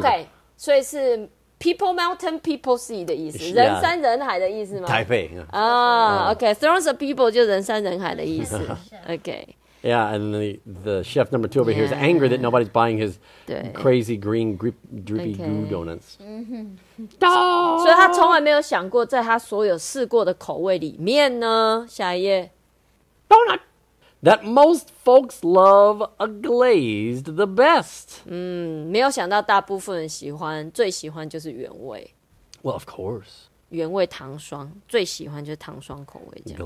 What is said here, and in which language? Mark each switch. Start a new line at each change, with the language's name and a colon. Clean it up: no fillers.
Chinese: okay 所以是
English: people mountain people sea
Chinese: 的意思 yeah, 人山人海的意思吗台北、
English: okay throngs of people
Chinese: 就人山人海的意思
English: okay Yeah, and the chef number two over here is angry that nobody's buying his crazy green drippy goo donuts. So he
Chinese: 从来没有想过在他所有试过的口味里面呢。下一页
English: donut that most folks love a glazed the best.
Chinese: 没有想到大部分人喜欢最喜欢就是原味。
English: Well, of course.
Chinese: 原味糖霜最喜欢就是糖霜口味这样子。